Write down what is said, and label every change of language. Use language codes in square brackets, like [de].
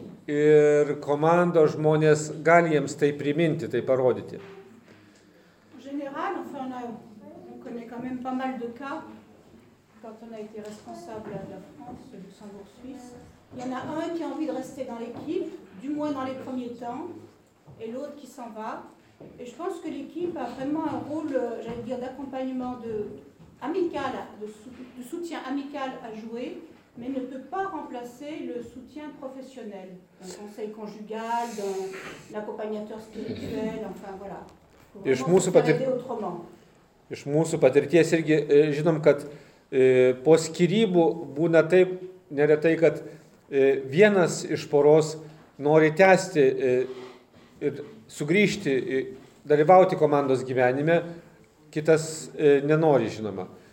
[lt] Ir komandos žmonės gali jiems tai priminti, tai parodyti. [fr] General, enfin, on connaît quand même pas mal de cas quand on a été responsable de la France, de Luxembourg, Suisse. Il y en a un qui a envie de rester dans l'équipe, du moins dans les premiers temps, et l'autre qui s'en va. Et je pense que l'équipe a vraiment un rôle, j'allais dire, d'accompagnement de, amical, de soutien amical à jouer. Mais ne peut pas remplacer le soutien professionnel, un conseil conjugal, un accompagnateur spirituel, enfin voilà. [lt] Iš mūsų patirties irgi žinom, kad po skirybų būna taip, neretai, kad vienas iš poros nori tęsti ir sugrįžti, dalyvauti komandos gyvenime, kitas nenori, žinoma.